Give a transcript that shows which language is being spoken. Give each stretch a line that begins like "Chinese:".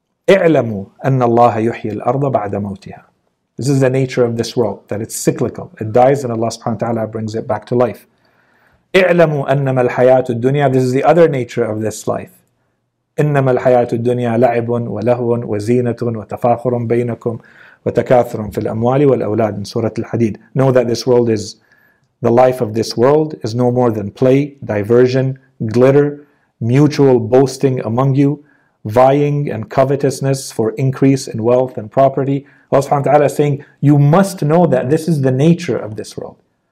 Arabic: اعلموا أن الله يحيي الأرض بعد موتها.
English: This is the nature of this world, that it's cyclical. It dies and Allah subhanahu wa ta'ala brings it back to life.
Arabic: اعلموا أنما الحياة الدنيا.
English: This is the other nature of this life.
Arabic: إنما الحياة الدنيا لعب ولهو وزينة وتفاخر بينكم وتكاثر في الأموال والأولاد.
English: In Surah Al-Hadid. Know that this world is, the life of this world is no more than play, diversion, glitter, mutual boasting among you, vying and covetousness for increase in wealth and property. Allah subhanahu wa ta'ala is saying, you must know that this is the nature of this world.